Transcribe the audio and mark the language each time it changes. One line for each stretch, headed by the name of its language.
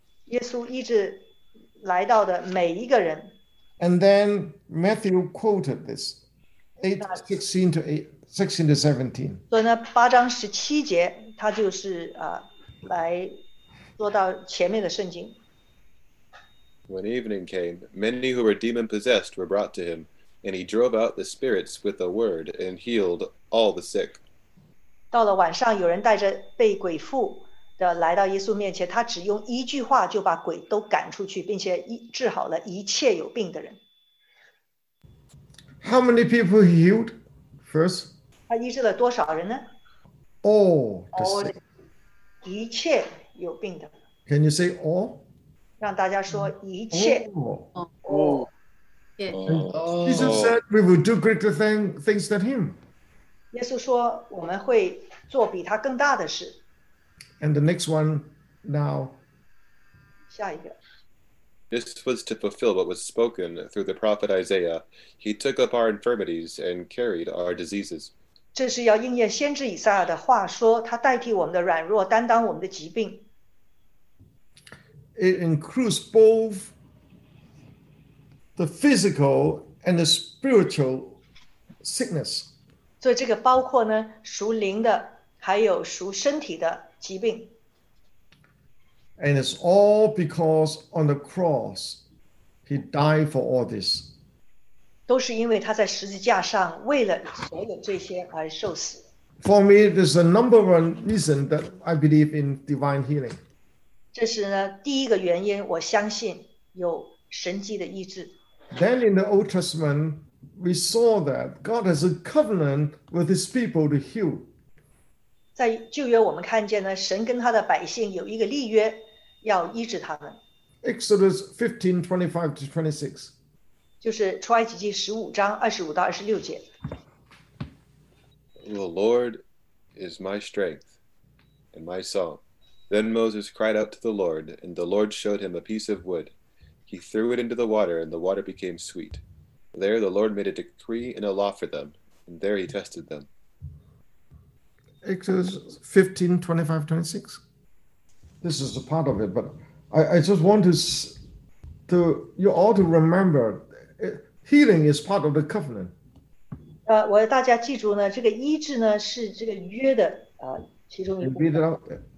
English: And then Matthew quoted this, 8:16-17.
Chinese: 坐到前面的圣经。
English: When evening came, many who were demon-possessed were brought to him, and he drove out the spirits with a word and healed all the sick.
Chinese: 到了晚上，有人带着被鬼附的来到耶稣面前，他只用一句话就把鬼都赶出去，并且治好了一切有病的人。
English: How many people he healed first?
Chinese: 他医治了多少人呢？
English: All the sick.
Chinese: 一切有病的。
English: Can you say all?
Chinese: 让大家说一切。
English: All. Jesus said we will do greater things than him.
Chinese: 耶稣说我们会做比他更大的事。
English: And the next one now.
Chinese: 下一个。
English: This was to fulfill what was spoken through the prophet Isaiah. He took up our infirmities and carried our diseases.
Chinese: 这是要应验先知以赛亚的话，说他代替我们的软弱，担当我们的疾病。
English: It includes both the physical and the spiritual sickness.
Chinese: 所以这个包括呢，属灵的，还有属身体的疾病。
English: And it's all because on the cross, he died for all this.
Chinese: 都是因为他在十字架上为了所有这些而受死。
English: For me, this is the number one reason that I believe in divine healing.
Chinese: 这是呢第一个原因，我相信有神迹的医治。
English: Then in the Old Testament, we saw that God has a covenant with his people to heal.
Chinese: 在旧约我们看见呢，神跟他的百姓有一个立约，要医治他们。
English: Exodus 15:25-26.
Chinese: 就是出埃及记15:25-26.
English: The Lord is my strength and my song. Then Moses cried out to the Lord, and the Lord showed him a piece of wood. He threw it into the water, and the water became sweet. There the Lord made a decree and a law for them, and there he tested them. Exodus 15:25-26. This is a part of it, but I just want to you all to remember, healing is part of the covenant.
Chinese: 我要大家记住呢，这个医治呢是这个约的其中一部分。